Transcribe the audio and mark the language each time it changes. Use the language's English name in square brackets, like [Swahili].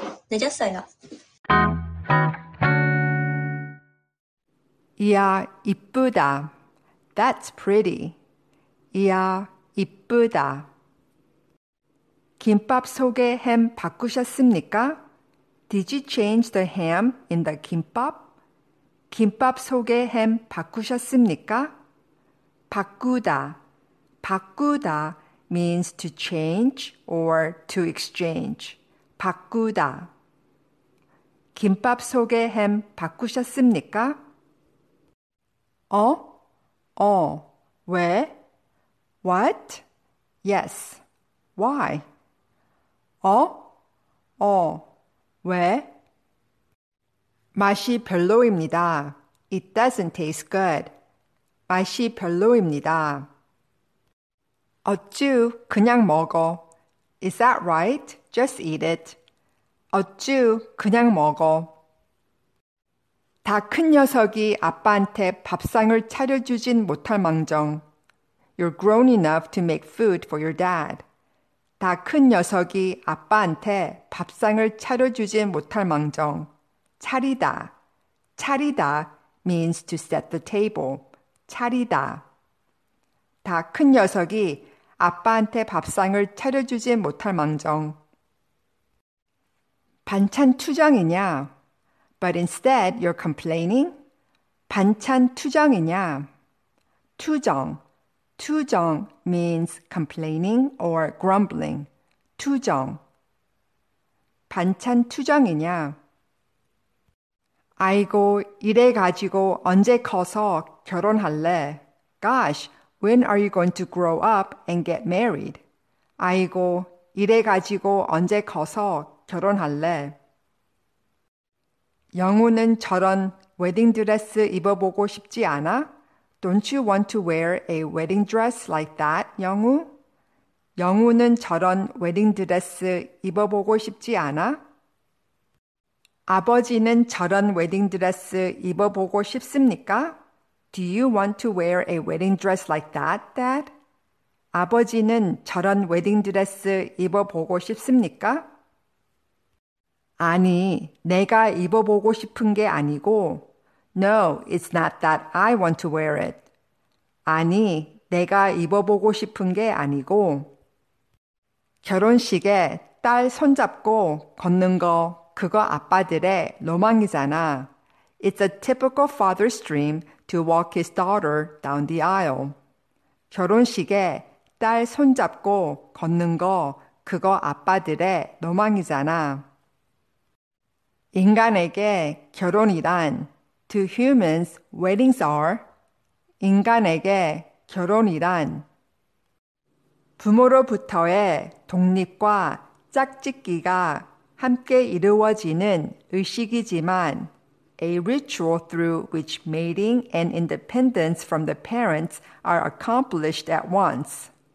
[Korean] 늦었어요. [English] Yeah, [Korean] 이쁘다. [English] That's pretty. [Korean] Yeah, 이쁘다. 김밥 속에 햄 바꾸셨습니까? [English] Did you change the ham in the 김밥? [Korean] 김밥 속에 햄 바꾸셨습니까? [English] 바꾸다. 바꾸다 means to change or to exchange. 바꾸다. [Korean] 김밥 속에 햄 바꾸셨습니까? 어? 어. 왜? [English] What? Yes. Why? [Korean] 어? 어. 왜? 맛이 별로입니다. [English] It doesn't taste good. [Korean] 맛이 별로입니다. 어쭈, 그냥 먹어. [English] Is that right? Just eat it. [Korean] 어쭈, 그냥 먹어. 다 큰 녀석이 아빠한테 밥상을 차려주진 못할 망정. [English] You're grown enough to make food for your dad. [Korean] 다 큰 녀석이 아빠한테 밥상을 차려주지 못할 망정. [English] 차리다. 차리다 means to set the table. 차리다. [Korean] 다 큰 녀석이 아빠한테 밥상을 차려주지 못할 망정. 반찬 투정이냐? [English] But instead you're complaining? [Korean] 반찬 투정이냐? 투정. [English] 투정 means complaining or grumbling. 투정. [Korean] 반찬 투정이냐? 아이고, 이래 가지고 언제 커서 결혼할래? [English] Gosh, when are you going to grow up and get married? [Korean] 아이고, 이래 가지고 언제 커서 결혼할래? 영우는 저런 웨딩 드레스 입어보고 싶지 않아? [English] Don't you want to wear a wedding dress like that, 영우? [Korean] 영우는 저런 웨딩 드레스 입어보고 싶지 않아? 아버지는 저런 웨딩 드레스 입어보고 싶습니까? [English] Do you want to wear a wedding dress like that, Dad? [Korean] 아버지는 저런 웨딩 드레스 입어보고 싶습니까? 아니, 내가 입어보고 싶은 게 아니고, [English] No, it's not that I want to wear it. [Korean] 아니, 내가 입어보고 싶은 게 아니고, 결혼식에 딸 손잡고 걷는 거 그거 아빠들의 로망이잖아. [English] It's a typical father's dream to walk his daughter down the aisle. [Korean] 결혼식에 딸 손잡고 걷는 거 그거 아빠들의 로망이잖아. 인간에게 결혼이란 [English] To humans, weddings are [Korean] 인간에게 결혼이란 부모로부터의 독립과 짝짓기가 함께 이루어지는 의식이지만 [English] A ritual through which mating and independence from the parents are accomplished at once.